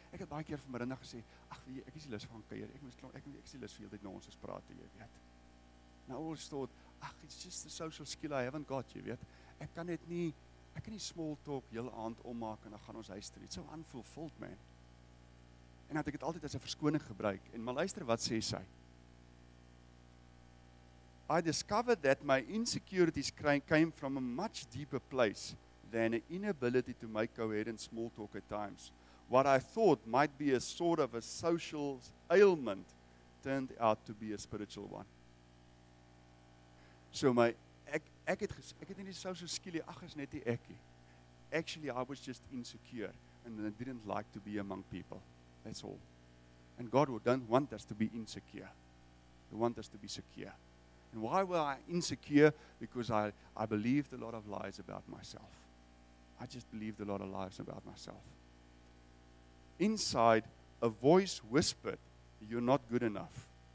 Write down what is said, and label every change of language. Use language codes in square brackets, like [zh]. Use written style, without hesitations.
[af] Ek het baie keer vir Marinda gesê, ag, ek is nie lus van kuier. Ek is nie lus vir heeltyd nou ons is praat, jy weet. [en] Now all thought, ag, it's just the social skill I haven't got, [af] jy weet. Ek kan nie small talk heel aand ommaak en dan gaan ons huis toe. Dit sou aanvoel vult, man. En dat ek dit altyd as 'n verskoning gebruik. En maar luister wat sê sy. [en] I discovered that my insecurities came from a much deeper place than an inability to make coherent small talk at times. What I thought might be a sort of a social ailment turned out to be a spiritual one. [af] So my ek het nie die social skill, ag, is net nie ek nie. [en] Actually I was just insecure and I didn't like to be among people. That's all. And God don't want us to be insecure. He wants us to be secure. And why were I insecure? Because I believed a lot of lies about myself. I just believed a lot of lies about myself. Inside, a voice whispered, you're not good enough.